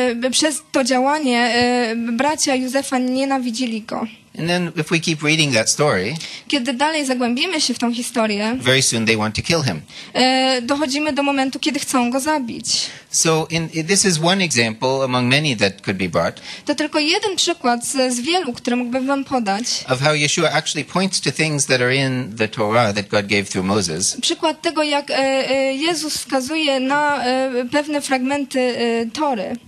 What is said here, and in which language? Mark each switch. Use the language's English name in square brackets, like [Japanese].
[Polish] Przez to działanie bracia Józefa nienawidzili go. [English] And then if we keep reading that story, [Polish] kiedy dalej zagłębimy się w tą historię, [English] very soon they want to kill him. [Polish] Dochodzimy do momentu, kiedy chcą go zabić. [English] So this is one example among many that could be brought. [Polish] To tylko jeden przykład z wielu, który mógłbym wam podać. [English] Of how Yeshua actually points to things that are in the Torah that God gave through Moses. [Polish] Przykład tego, jak Jezus wskazuje na pewne fragmenty Tory.